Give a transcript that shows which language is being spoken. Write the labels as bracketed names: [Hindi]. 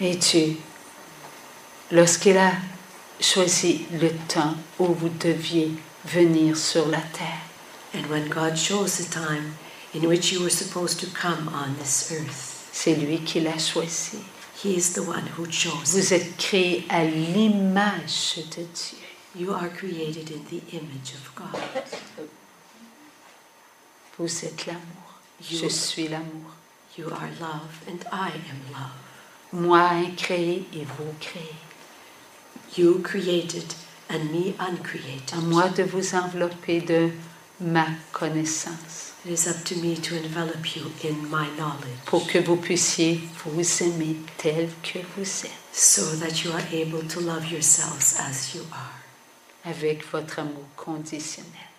[French] Et Dieu, lorsqu'il a choisi le temps où vous deviez venir sur la terre. [English] And when God chose the time in which you were supposed to come on this earth. [French] C'est lui qui l'a choisi. [English] He is the one who chose. [French] Vous êtes créé à l'image de Dieu. [English] You are created in the image of God. [French] Vous êtes l'amour. Je suis l'amour. [English] You are love and I am love. [French] Moi incréé et vous créé. [English] You created and me uncreated. [French] À moi de vous envelopper de ma connaissance. [English] It is up to me to envelop you in my knowledge. [French] Pour que vous puissiez vous aimer tel que vous êtes. [English] So that you are able to love yourselves as you are. [French] Avec votre amour conditionnel.